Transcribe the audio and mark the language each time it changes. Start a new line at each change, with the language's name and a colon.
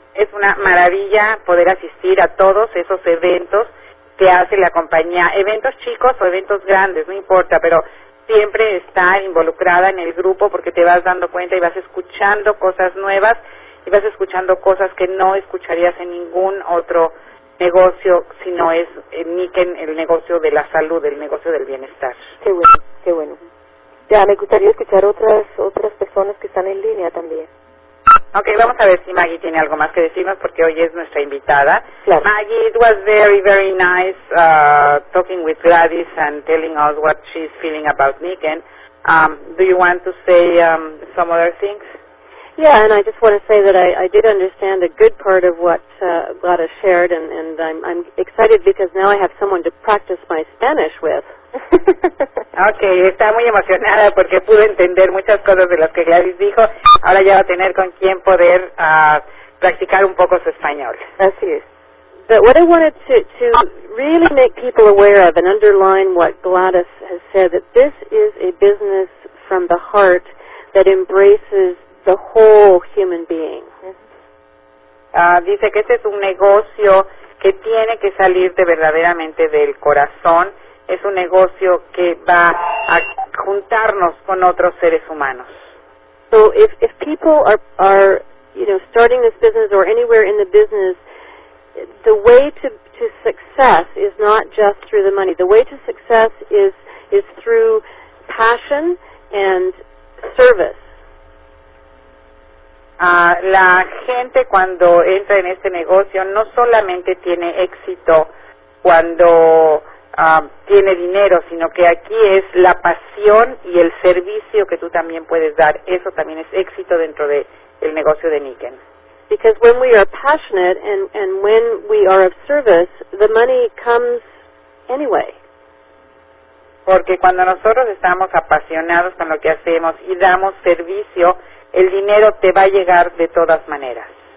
Spanish: Es una maravilla poder asistir a todos esos eventos que hace la compañía, eventos chicos o eventos grandes, no importa, pero siempre estar involucrada en el grupo porque te vas dando cuenta y vas escuchando cosas nuevas y vas escuchando cosas que no escucharías en ningún otro negocio, si no es Nikken, el negocio de la salud, el negocio del bienestar. Qué bueno. Qué bueno. Ya, me gustaría escuchar otras personas que están en línea también. Okay, vamos a ver si Maggie tiene algo más que decirnos porque hoy es nuestra invitada. Claro.
English: Maggie, it was very, very nice talking with Gladys and telling us what she's feeling about Nikken. Do you want to say some other things? Yeah, and I just want to say that I did understand a good part of what Gladys shared, and I'm excited because now I have someone to practice my Spanish with.
Spanish: Okay, está muy emocionada porque pudo entender muchas cosas de las que Gladys dijo. Ahora ya va a tener con quien poder practicar un poco su español. Así es.
English: But what I wanted to really make people aware of and underline what Gladys has said, that this is a business from the heart that embraces the whole human being.
Spanish: Dice que este es un negocio que tiene que salir de verdaderamente del corazón. Es un negocio que va a juntarnos con otros seres humanos.
English: So if people are you know, starting this business or anywhere in the business, the way to success is not just through the money. The way to success is through passion and service.
Spanish: La gente cuando entra en este negocio no solamente tiene éxito cuando tiene dinero, sino que aquí es la pasión y el servicio que tú también puedes dar. Eso también es éxito dentro de el negocio de Nikken.
English: Because when we are passionate and when we are of service, the money comes anyway.
Spanish: Porque cuando nosotros estamos apasionados con lo que hacemos y damos servicio, el dinero te va a llegar de todas maneras.